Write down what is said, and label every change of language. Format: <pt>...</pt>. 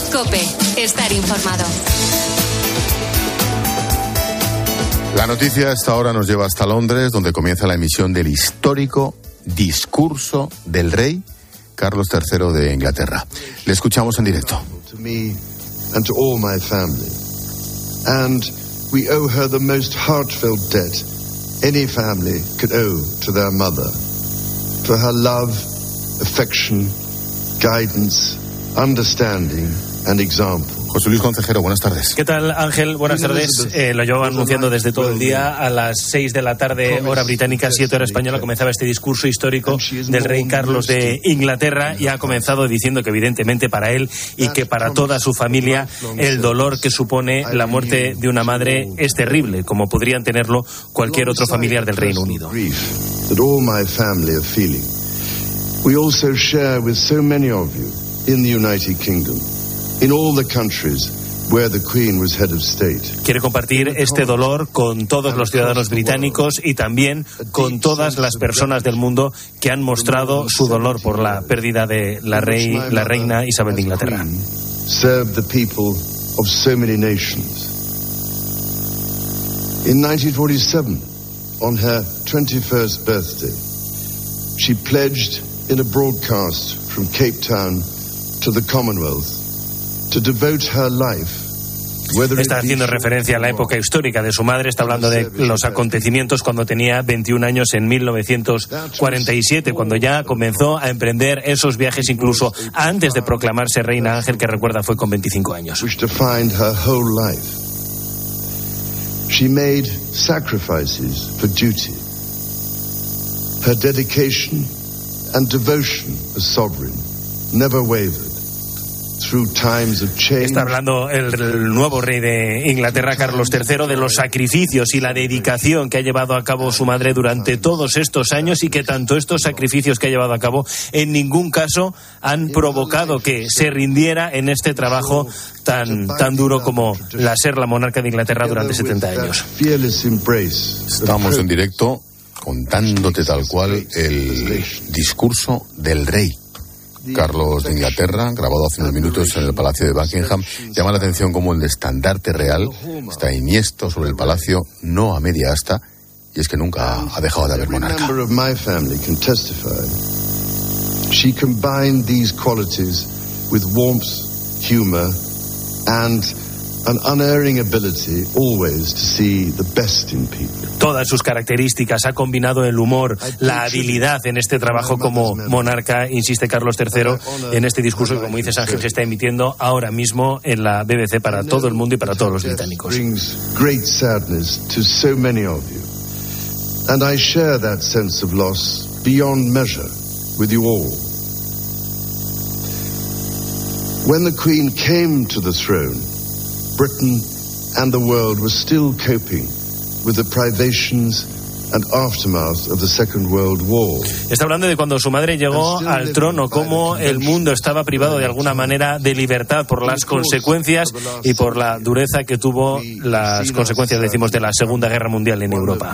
<es>COPE, estar informado. La noticia a esta hora nos lleva hasta Londres, donde comienza la emisión del histórico discurso del rey Carlos III de Inglaterra. Le escuchamos en directo.</es> <en>To me and to all my family. And we owe her the most heartfelt debt any family could owe to their mother. For her love, affection, guidance, understanding and example.</en> <es>José Luis Concejero, buenas tardes. ¿Qué tal, Ángel? Buenas tardes. Lo llevo anunciando desde todo el día. A las 6 de la tarde, hora británica, 7 hora española, comenzaba este discurso histórico del rey Carlos de Inglaterra y ha comenzado diciendo que evidentemente para él y que para toda su familia el dolor que supone la muerte de una madre es terrible, como podrían tenerlo cualquier otro familiar del Reino Unido.</es> <en>We also share with so many of you in the United Kingdom. In all the countries where the Queen was head of state.</en> <es>Quiere compartir este dolor con todos los ciudadanos británicos y también con todas las personas del mundo que han mostrado su dolor por la pérdida de la reina Isabel de Inglaterra.</es> <en>Served the people of so many nations. In 1947, on her 21st birthday, she pledged in a broadcast from Cape Town to the Commonwealth. To devote her life.</en> <es>Está haciendo referencia a la época histórica de su madre, está hablando de los acontecimientos cuando tenía 21 años en 1947, cuando ya comenzó a emprender esos viajes incluso antes de proclamarse reina Ángel, que recuerda fue con 25 años.</es> <en>Which defined her whole life. She made sacrifices for duty. Her dedication and devotion as sovereign never wavered.</en> <es>Está hablando el nuevo rey de Inglaterra, Carlos III, de los sacrificios y la dedicación que ha llevado a cabo su madre durante todos estos años y que tanto estos sacrificios que ha llevado a cabo en ningún caso han provocado que se rindiera en este trabajo tan, tan duro como la ser la monarca de Inglaterra durante 70 años. Estamos en directo contándote tal cual el discurso del rey Carlos de Inglaterra, grabado hace unos minutos en el Palacio de Buckingham. Llama la atención cómo el estandarte real está enhiesto sobre el palacio, no a media asta, y es que nunca ha dejado de haber monarca.</es> <en>Every member of my family can testify. She combined these qualities with warmth, humor, and an unerring ability always to see the best in people.</en> <es>Todas sus características, ha combinado el humor, la habilidad en este trabajo como monarca, insiste Carlos III, en este discurso que, como dices Ángel, se está emitiendo ahora mismo en la BBC para todo el mundo y para todos los británicos.</es> <en>Brings great sadness to so many of you. And I share that sense of loss beyond measure with you all. When the Queen came to the throne, Britain and the world were still coping with the privations and aftermath of the Second World War.</en> <es>Está hablando de cuando su madre llegó al trono, cómo el mundo estaba privado de alguna manera de libertad por las consecuencias y por la dureza que tuvo las consecuencias, decimos, de la Segunda Guerra Mundial en Europa.</es>